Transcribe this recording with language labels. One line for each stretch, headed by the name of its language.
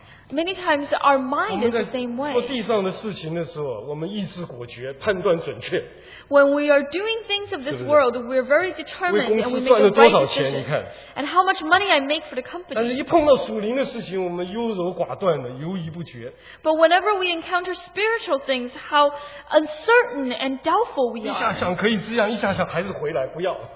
English: Many times our mind is the same way.
Chinese: 做地上的事情的时候,我们意志果决,判断准确。
English: When we are doing things of this world, we are very determined and we make the right decision. And how much money I make for the company.
Chinese: 但是一碰到属灵的事情,我们优柔寡断的,犹豫不决。
English: But whenever we encounter spiritual things, how uncertain and doubtful we are.
Chinese: 一下想可以这样,一下想还是回来,不要。